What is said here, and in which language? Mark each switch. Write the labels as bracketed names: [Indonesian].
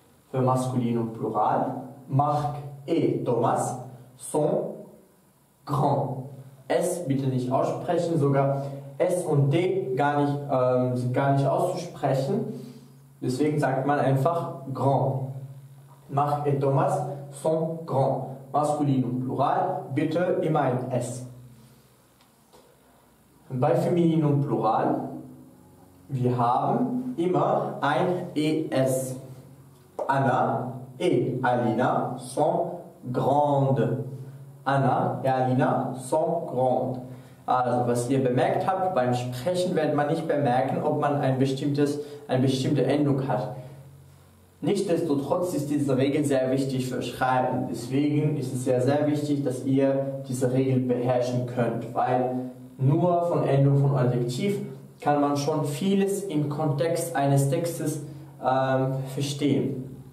[German] Für Maskulin und Plural, [French] Marc et Thomas sont grand. [German] S bitte nicht aussprechen, sogar S und D gar nicht, sind gar nicht auszusprechen. Deswegen sagt man einfach grand. [French] Marc et Thomas sont grand. [German] Maskulin und Plural, bitte immer ein S. Bei Feminin und Plural, wir haben immer ein ES. [French] Anna et Alina sont grandes. Anna et Alina sont grandes. [German] Also, was ihr bemerkt habt, beim Sprechen wird man nicht bemerken, ob man eine bestimmte Endung hat. Nichtsdestotrotz ist diese Regel sehr wichtig für Schreiben. Deswegen ist es sehr, sehr wichtig, dass ihr diese Regel beherrschen könnt, weil nur von Endung von Adjektiv kann man schon vieles im Kontext eines Textes verstehen.